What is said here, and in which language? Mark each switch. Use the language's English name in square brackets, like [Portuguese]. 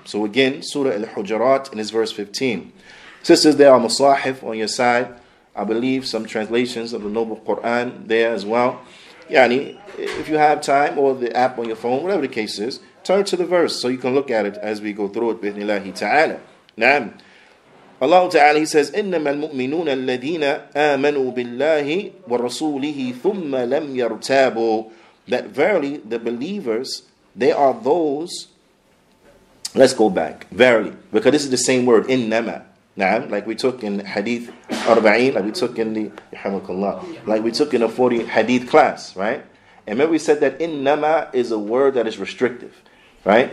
[English] So again, Surah Al-Hujarat in his verse 15. Sisters, there are Masahif on your side. I believe some translations of the Noble Quran there as well. Yani, if you have time or the app on your phone, whatever the case is, turn to the verse so you can look at it as we go through it. Bismillahi ta'ala. Na'am. Allah Ta'ala, he says, [Arabic] إِنَّمَا الْمُؤْمِنُونَ الَّذِينَ آمَنُوا بِاللَّهِ وَرَسُولِهِ ثُمَّ لَمْ يَرْتَابُوا. [English] That verily, the believers, they are those. Let's go back. Verily. Because this is the same word. Innama. Na'am, like we took in hadith arba'een, like we took in the yahamakallah, like we took in a 40 hadith class, right? And remember we said that innama is a word that is restrictive, right?